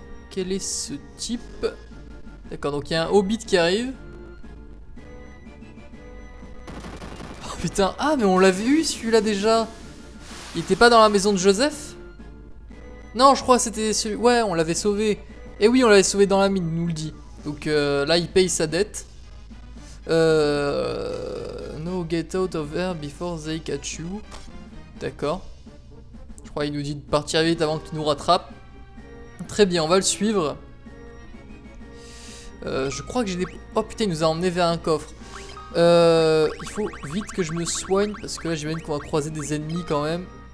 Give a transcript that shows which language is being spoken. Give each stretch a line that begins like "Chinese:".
French: Quel est ce type? D'accord, donc il y a un hobbit qui arrive. Oh putain, ah mais on l'avait eu celui-là déjà. Il était pas dans la maison de Joseph? Non, je crois que c'était celui... Ouais, on l'avait sauvé. Et oui, on l'avait sauvé dans la mine, nous le dit. Donc là, il paye sa dette.
English: No get out of there before they catch you.
French: D'accord. Je crois qu'il nous dit de partir vite avant qu'il nous rattrape. Très bien, on va le suivre. Je crois que j'ai des... Oh putain, il nous a emmené vers un coffre. Il faut vite que je me soigne parce que là, j'imagine qu'on va croiser des ennemis quand même.